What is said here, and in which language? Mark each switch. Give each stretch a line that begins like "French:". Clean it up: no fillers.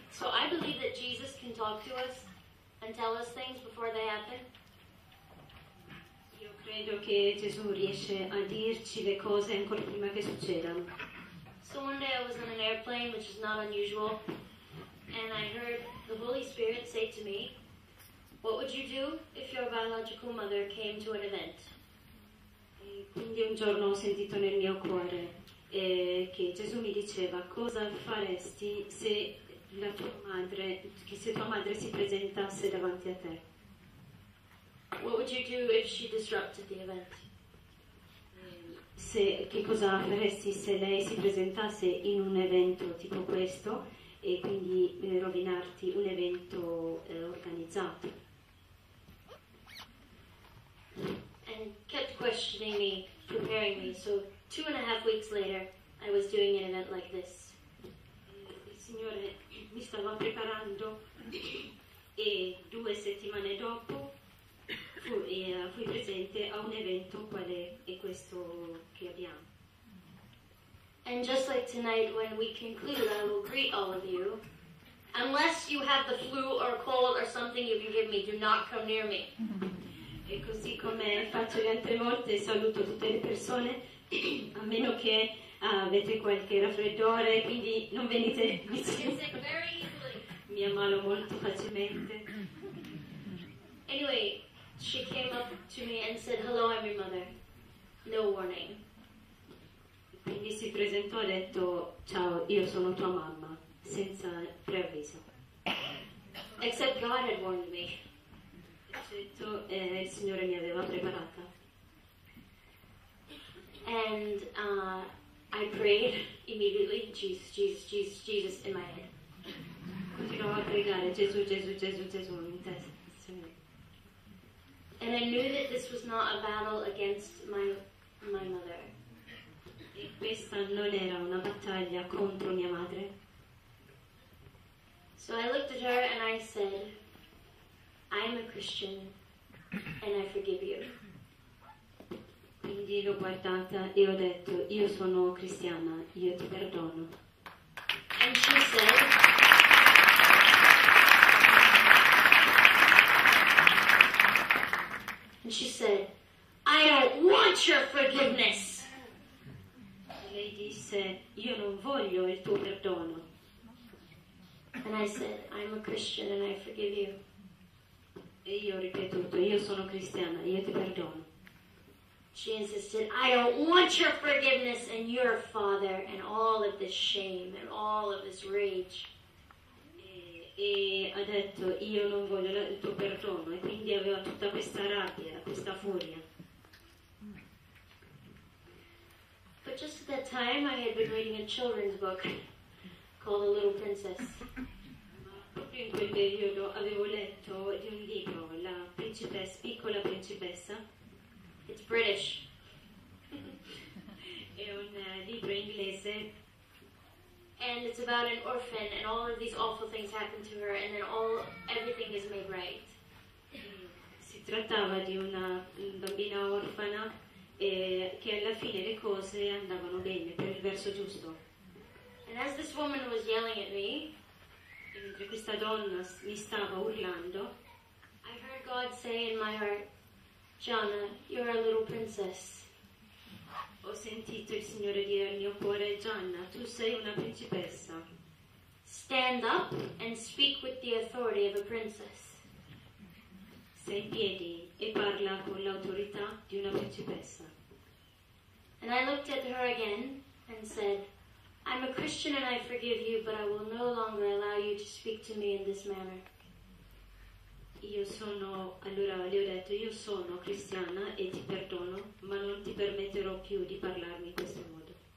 English: So I believe that Jesus can talk to us and tell us things before they happen.
Italian: Io Credo che Gesù riesce a dirci le cose ancora prima che succedano.
English: So one day I was on an airplane, which is not unusual, and I heard the Holy Spirit say to me, "What would you do if your biological mother came to an event?"
Italian: E quindi un giorno ho sentito nel mio cuore che Gesù mi diceva, cosa faresti se la tua madre, che se tua madre si presentasse davanti a te?
English: What would you do if she disrupted the event?
Italian: Se, che cosa faresti se lei si presentasse in un evento tipo questo e quindi rovinarti un evento organizzato?
English: And kept questioning me, preparing me. So 2.5 weeks later, I was doing an event like this.
Italian: Il Signore mi stava preparando e 2 settimane dopo fui presente a un evento quale è questo che abbiamo.
English: And just like tonight, when we conclude, I will greet all of you. Unless you have the flu or cold or something you can give me, do not come near me.
Italian: E così come faccio le altre volte, saluto tutte le persone, a meno che avete qualche raffreddore, quindi non venite vicino. Mi ammalo molto facilmente.
English: Anyway, she came up to me and said, "Hello, I'm your mother." No warning.
Italian: Quindi si presentò e ha detto, "Ciao, io sono tua mamma," senza preavviso.
English: Except God had warned me.
Italian: Certo, il Signore mi aveva preparata.
English: And I prayed immediately, Jesus, Jesus, Jesus, Jesus, in my head.
Italian: Continuavo a pregare, Gesù, Gesù, Gesù, Gesù, in testa. Sì.
English: And I knew that this was not a battle against my mother.
Italian: E questa non era una battaglia contro mia madre.
English: So I looked at her and I said, "I am a Christian and I forgive you."
Italian: Quindi l'ho guardata e ho detto, "Io sono cristiana, io ti perdono."
English: And she said, and she said, "I don't want your forgiveness."
Italian: E lei disse, "Io non voglio il tuo perdono."
English: And I said, "I'm a Christian and I forgive you."
Italian: E io ho ripetuto, "Io sono cristiana, io ti perdono."
English: She insisted, "I don't want your forgiveness and your father and all of this shame and all of this rage."
Italian: E ha detto, "Io non voglio il tuo perdono." E quindi aveva tutta questa rabbia, questa furia.
English: But just at that time I had been reading a children's book called The Little Princess.
Italian: Proprio in quel periodo avevo letto di un libro, La Principessa, Piccola Principessa.
English: It's British.
Italian: È un libro inglese.
English: And it's about an orphan and all of these awful things happen to her and then everything is made right.
Italian: Si trattava di una bambina orfana e che alla fine le cose andavano bene, per il verso giusto.
English: And as this woman was yelling at me,
Italian: mentre questa donna mi stava urlando,
English: I heard God say in my heart, "Gianna, you're a little princess."
Italian: Ho sentito il Signore dire al mio cuore, "Gianna, tu sei una principessa.
English: Stand up and speak with the authority of a princess."
Italian: Stai in piedi e parla con l'autorità di una principessa.
English: And I looked at her again and said, "I'm a Christian and I forgive you, but I will no longer allow you to speak to me in this manner."
Italian: Io sono, allora le ho detto, "Io sono cristiana e ti perdono, ma non ti permetterò più di parlarmi in questo modo."